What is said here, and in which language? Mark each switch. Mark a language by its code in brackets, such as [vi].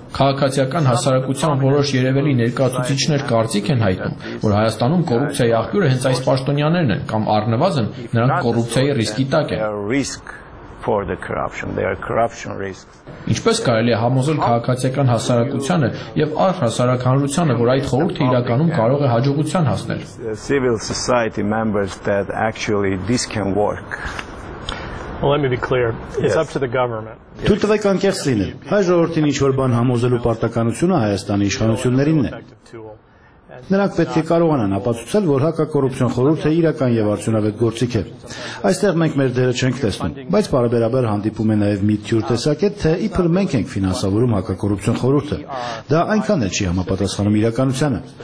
[hy] քաղաքացիական հասարակության որոշ երևելի ներկայացուցիչներ կարծիք են հայտնում, որ Հայաստանում կոռուպցիայի աղբյուրը հենց այս պաշտոնյաներն են, կամ առնվազն նրանք կոռուպցիայի ռիսկի տակ են։ Ինչպես կարելի է համոզել քաղաքացիական հասարակությանը եւ առ հասարակականությանը, որ այդ խորհուրդը իրականում կարող է հաջողության հասնել։ [en] Civil society members that actually this can work. Well, let me be clear. It's up to the government. [hy] Թույլ տվեք անկեղծ լինել։ Հայ ժողովրդին ինչ որ բան համոզելու պարտականությունը Հայաստանի իշխանություններինն է։ Նրանք պետք է կարողանան ապացուցել, որ հակակոռուպցիոն խորհուրդը իրական եւ արդյունավետ գործիք է։ Այստեղ մենք մեր դերը չենք տեսնում, բայց բարեբերաբար հանդիպում է նաեւ մի թյուր տեսակետ, թե իբր մենք ենք ֆինանսավորում հակակոռուպցիոն խորհուրդը։ Դա այնքան էլ չի համապատասխանում իրականությանը։